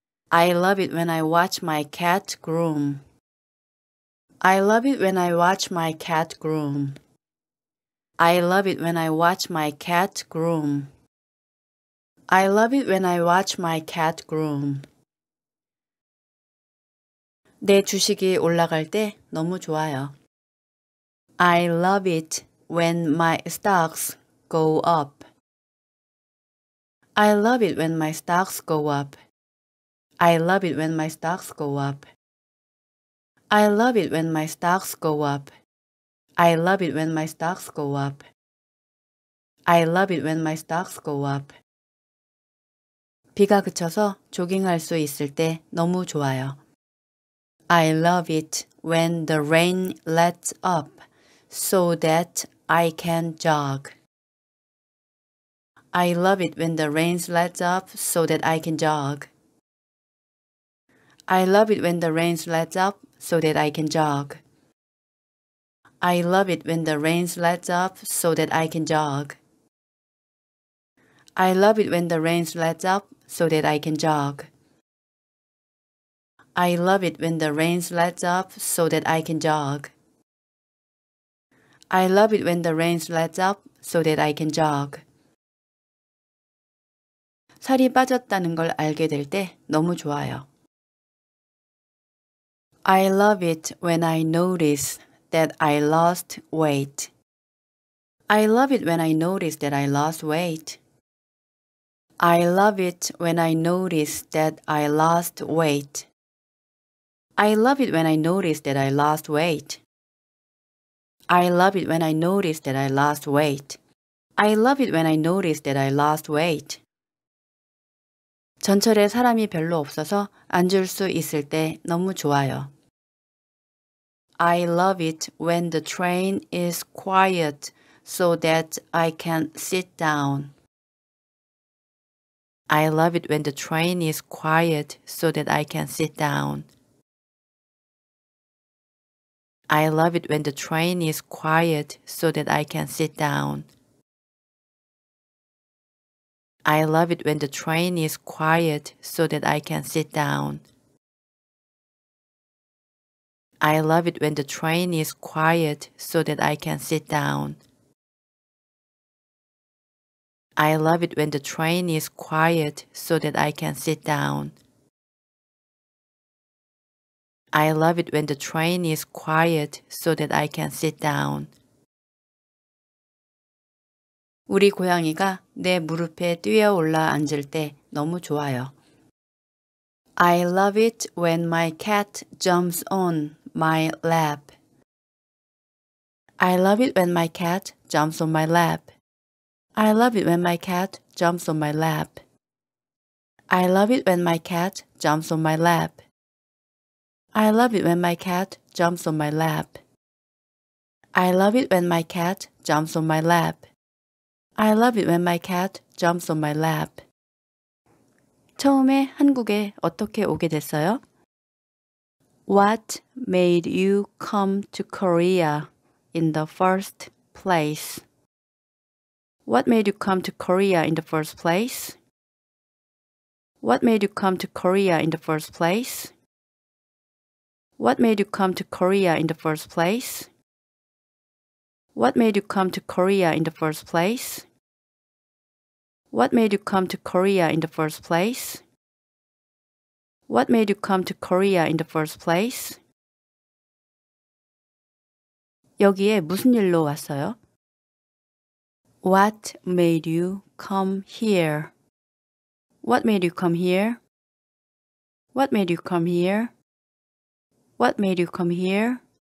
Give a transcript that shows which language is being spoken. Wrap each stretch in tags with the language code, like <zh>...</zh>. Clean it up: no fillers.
<en>I love it when I watch my cat groom. I love it when I watch my cat groom. I love it when I watch my cat groom. I love it when I watch my cat groom.</en> <ko>내 주식이 올라갈 때 너무 좋아요.</ko> <en>I love it when my stocks go up. I love it when my stocks go up. I love it when my stocks go up. I love it when my stocks go up. I love it when my stocks go up. I love it when my stocks go up.</en> <ko>비가 그쳐서 조깅할 수 있을 때 너무 좋아요.</ko> <en>I love it when the rain lets up so that I can jog. I love it when the rain lets up so that I can jog. I love it when the rain lets up so that I can jog. I love it when the rain lets up so that I can jog. I love it when the rain lets up so that I can jog. I love it when the rain lets up so that I can jog. I love it when the rain lets up so that I can jog.</en> <ko>살이 빠졌다는 걸 알게 될 때 너무 좋아요.</ko> <en>I love it when I notice that I lost weight. I love it when I notice that I lost weight. I love it when I notice that I lost weight. I love it when I notice that I lost weight. I love it when I notice that I lost weight. I love it when I notice that I lost weight.</en> <ko>전철에 사람이 별로 없어서 앉을 수 있을 때 너무 좋아요.</ko> <en>I love it when the train is quiet so that I can sit down. I love it when the train is quiet so that I can sit down. I love it when the train is quiet so that I can sit down. I love it when the train is quiet so that I can sit down. I love it when the train is quiet so that I can sit down. I love it when the train is quiet so that I can sit down. I love it when the train is quiet so that I can sit down.</en> <ko>우리 고양이가 내 무릎에 뛰어 올라 앉을 때 너무 좋아요.</ko> <en>I love it when my cat jumps on my lap. I love it when my cat jumps on my lap. I love it when my cat jumps on my lap. I love it when my cat jumps on my lap. I love it when my cat jumps on my lap. I love it when my cat jumps on my lap. I love it when my cat jumps on my lap.</en> <ko>처음에 한국에 어떻게 오게 됐어요?</ko> <en>What made you come to Korea in the first place? What made you come to Korea in the first place? What made you come to Korea in the first place? What made you come to Korea in the first place? What made you come to Korea in the first place? What made you come to Korea in the first place? What made you come to Korea in the first place?</en> <ko>여기에 무슨 일로 왔어요?</ko> <en>What made you come here? What made you come here? What made you come here? What made you come here?</en>